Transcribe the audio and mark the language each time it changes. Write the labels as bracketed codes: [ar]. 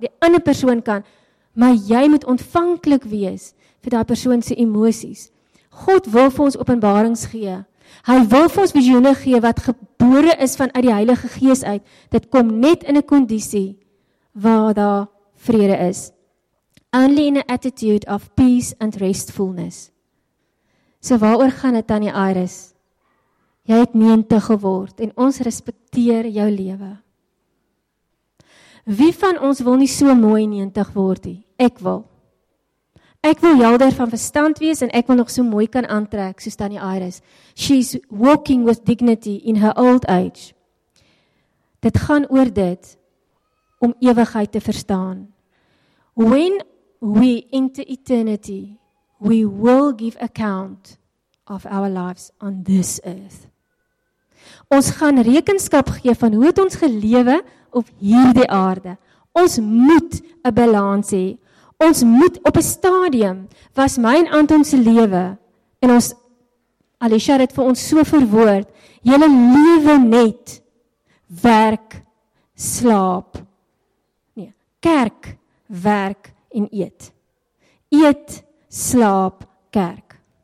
[af] Die ander persoon kan, maar jy moet ontvanklik wees vir daai persoon se emosies. God wil vir ons openbarings gee. Hy wil vir ons visioene gee wat gebore is vanuit die Heilige Gees uit. Dit kom net in 'n kondisie waar daar vrede is. [en] Only in an attitude of peace and restfulness. [af] So waaroor gaan dit aan die Iris? Jy het 90 geword en ons respekteer jou lewe. Wie van ons wil nie so mooi 90 word nie? Ek wil. Ek wil helder van verstand wees en ek wil nog so mooi kan aantrek soos Tannie Iris. [en] She's walking with dignity in her old age. [af] Dit gaan oor dit om ewigheid te verstaan. [en] When we enter eternity, we will give account of our lives on this earth. [af] Ons gaan rekenskap gee van hoe het ons gelewe op hierdie aarde. Ons moet 'n balans hê. Ons moet op 'n stadium was my en Anton se lewe en ons Alicia het vir ons so verwoord, julle lewe net werk, slaap. Nee, kerk, werk en eet. Eet, slaap, kerk.